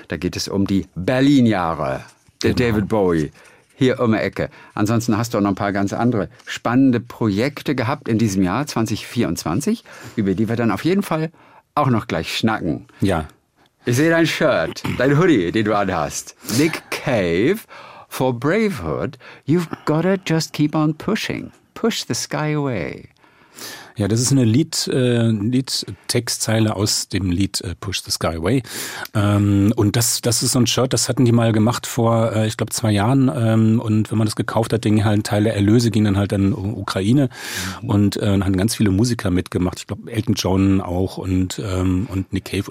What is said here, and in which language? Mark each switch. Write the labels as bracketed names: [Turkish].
[German] Da geht es um die Berlin-Jahre. Der David Bowie, hier um die Ecke. Ansonsten hast du auch noch ein paar ganz andere spannende Projekte gehabt in diesem Jahr 2024, über die wir dann auf jeden Fall auch noch gleich schnacken. Ja. Ich sehe dein Shirt, dein Hoodie, den du anhast. [English] Nick Cave for Bravehood. You've gotta just keep on pushing. Push the sky away. [German] Ja, das ist eine Liedtextzeile aus dem Lied Push the Sky Away. Und das ist so ein Shirt, das hatten die mal gemacht vor, ich glaube, 2 Jahren. Und wenn man das gekauft hat, gingen halt ein Teil der Erlöse, ging dann halt an Ukraine. Und haben ganz viele Musiker mitgemacht. Ich glaube, Elton John auch und Nick Cave.